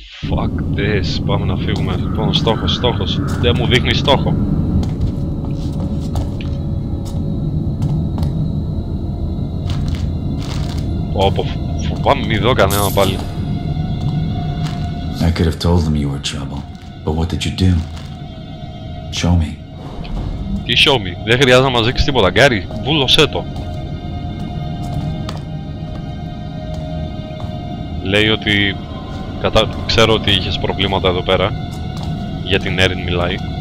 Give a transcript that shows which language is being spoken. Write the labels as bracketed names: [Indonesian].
[English] Fuck this, [Greek] πάμε να φύγουμε. Λοιπόν, στόχος, δεν μου δείχνει στόχο. Όπω φοβάμαι μη δω κανένα πάλι. [English] I could have told them you were trouble, but what did you do? Show me. [Greek] Τι [English] show me? [Greek] Δεν χρειάζεται να μας δείξεις τίποτα, Γκάρι, βούλωσέ το. Λέει ότι ξέρω ότι είχες προβλήματα εδώ πέρα. Για την Έριν μιλάει.